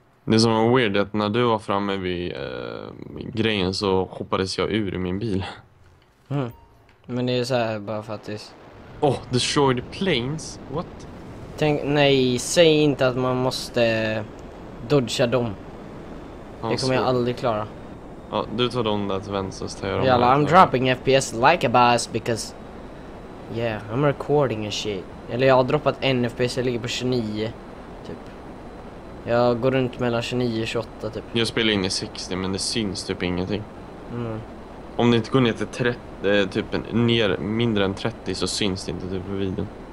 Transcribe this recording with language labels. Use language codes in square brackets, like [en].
[sv] Det som var weird är att när du var framme vid grejen så hoppades jag ur min bil. Men det är så här bara för att det... [en] Oh, destroyed planes? What? [sv] Tänk, nej, säg inte att man måste dodgea dem. Ah, det kommer jag aldrig klara. Ja, du tar dem där till vänster så tar jag dem. [en] Yeah, I'm dropping FPS like a boss because... Yeah, I'm recording and shit. [sv] Eller jag har droppat en FPS, jag ligger på 29. Typ. Jag går runt mellan 29 och 28 typ. Jag spelar in i 60 men det syns typ ingenting. Om det inte går ner till 30, typ ner mindre än 30 så syns det inte typ på videon.